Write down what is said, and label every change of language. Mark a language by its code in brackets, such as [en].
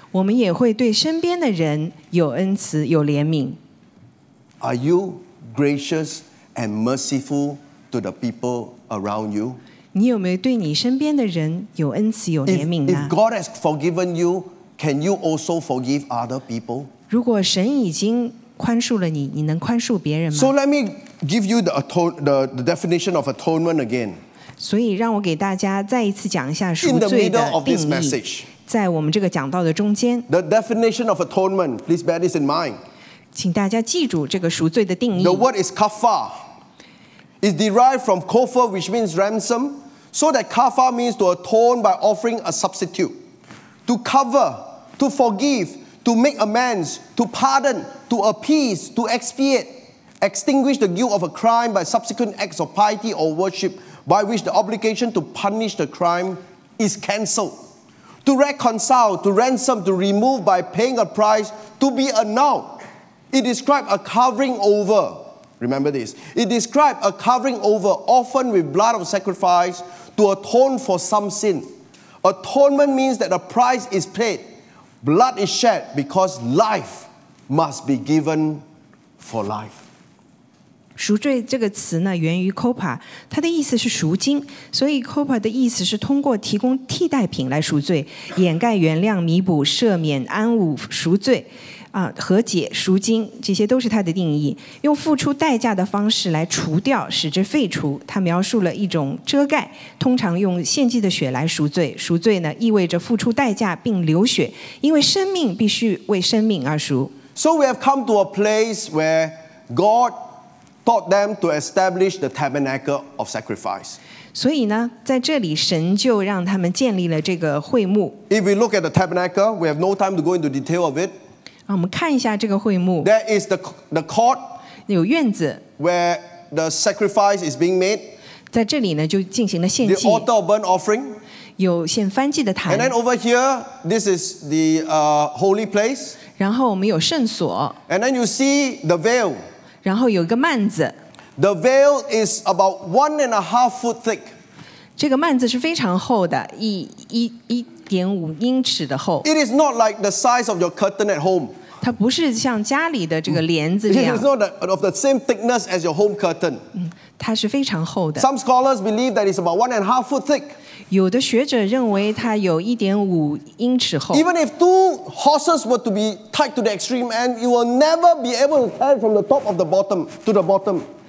[zh] 我们也会对身边的人有恩慈有怜悯 [en] Are you gracious and merciful to the people around you? [zh] 你有没有对你身边的人有恩慈有怜悯呢 [en] if God has forgiven youCan you also forgive other people? [zh] 如果神已经宽恕了你，你能宽恕别人吗？ [en] So let me give you the definition of atonement again. [zh] 所以让我给大家再一次讲一下赎罪的定义。 [en] In the middle of this message, [zh] 在我们这个讲道的中间。 [en] The definition of atonement, please bear this in mind. [zh] 请大家记住这个赎罪的定义。 [en] The word is kafar. It's derived from kofar, which means ransom. So that kafar means to atone by offering a substitute. To cover, to forgive, to make amends, to pardon, to appease, to expiate. Extinguish the guilt of a crime by subsequent acts of piety or worship by which the obligation to punish the crime is cancelled. To reconcile, to ransom, to remove by paying a price, to be annulled. It describes a covering over. Remember this. It describes a covering over, often with blood of sacrifice, to atone for some sin. Atonement means that a price is paid. Blood is shed because life must be given for life. [zh] 赎罪这个词呢，源于 copa， 它的意思是赎金，所以 copa 的意思是通过提供替代品来赎罪，掩盖、原谅、弥补、赦免、安抚、赎罪，和解、赎金这些都是它的定义。用付出代价的方式来除掉，使之废除。它描述了一种遮盖，通常用献祭的血来赎罪。赎罪呢，意味着付出代价并流血，因为生命必须为生命而赎。 [en] So we have come to a place where God taught them to establish the tabernacle of sacrifice. [zh] 所以呢，在这里神就让他们建立了这个会幕。 [en] If we look at the tabernacle, we have no time to go into detail of it. [zh] 我们看一下这个会幕。 [en] There is the court. [zh] 有院子。 [en] Where the sacrifice is being made. [zh] 在这里呢，就进行了献祭。 [en] The altar of burnt offering. [zh] 有献燔祭的坛。 [en] And then over here, this is the holy place. [zh] 然后我们有圣所。 [en] And then you see the veil. [zh] 然后有一个幔子。 [en] The veil is about 1.5 feet thick. [zh] 这个幔子是非常厚的， 1.5英尺的厚。 [en] It is not like the size of your curtain at home. [zh] 它不是像家里的这个帘子这样。 [en] It is not of the same thickness as your home curtain. [zh] 它是非常厚的。 [en] Some scholars believe that it's about 1.5 feet thick. [zh] 有的学者认为它有1.5英尺厚。 [en] Even if two horses were to be tied to the extreme end, you will never be able to tie from the top of the bottom to the bottom.